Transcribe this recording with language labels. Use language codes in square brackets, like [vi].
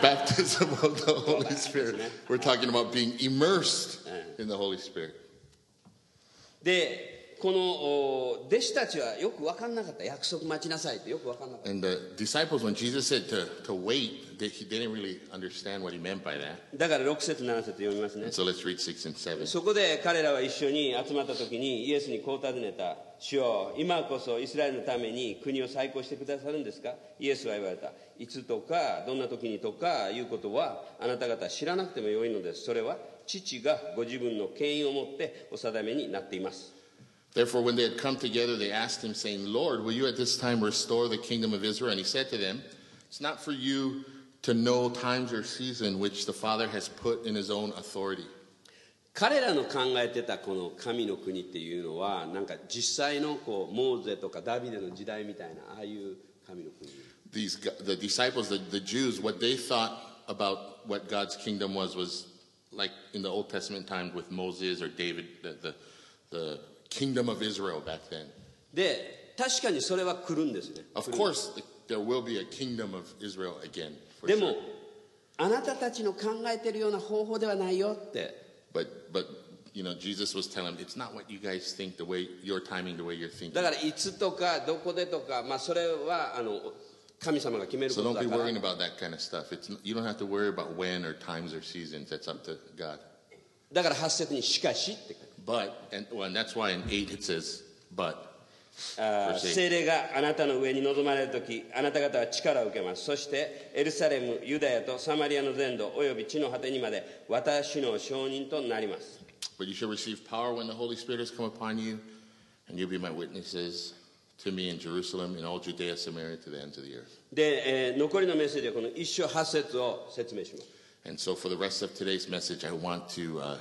[en] baptism of the Holy Spirit, we're talking about being immersed in the Holy Spirit. [ja] でこの弟子たちはよく分かんなかった。約束待ちなさいってよく分かんなかった。 [en] And the disciples, when Jesus said to wait, they didn't really understand what he meant by that. [ja] だから6節7節読みますね。 [en] So let's read 6 and 7. [ja] そこで彼らは一緒に集まった時にイエスにこう尋ねた。主よ、今こそイスラエルのために国を再興してくださるんですか？イエスは言われた。いつとかどんな時にとかいうことはあなた方知らなくてもよいのです。それは父がご自分の権威を持ってお定めになっています。 [en] Therefore, when they had come together, they asked him, saying, Lord, will you at this time restore the kingdom of Israel? And he said to them, It's not for you to know times or season which the Father has put in his own authority. [ja] 彼らの考えてたこの神の国っていうのは、なんか実際のこうモーゼとかダビデの時代みたいな、ああいう神の国。 [en] The disciples, the Jews, what they thought about what God's kingdom was like in the Old Testament time with Moses or David, the Kingdom of Israel back then. [ja] で、確かにそれは来るんですね。 [en] Of course, there will be a kingdom of Israel again. [ja] でも、 [en] sure. [ja] あなたたちの考えてるような方法ではないよって。 [en] But you know, Jesus was telling them, it's not what you guys think, the way your timing, the way you're thinking. [ja] だからいつとかどこでとか、まあそれはあの神様が決めることだから。 [en] So don't be worrying about that kind of stuff. You don't have to worry about when or times or seasons. That's up to God. [ja] だから8節にしかしって。 [en] But and well, and that's why in 8 it says, but. [ja] 聖霊があなたの上に臨まれるとき、あなた方は力を受けます。そしてエルサレム、ユダヤとサマリアの全土および地の果てにまで私の証人となります。 [en] But you shall receive power when the Holy Spirit has come upon you, and you'll be my witnesses to me in Jerusalem, in all Judea, Samaria, to the ends of the earth. [ja] で、残りのメッセージはこの1章8節を説明します。 [en] And so for the rest of today's message, I want to.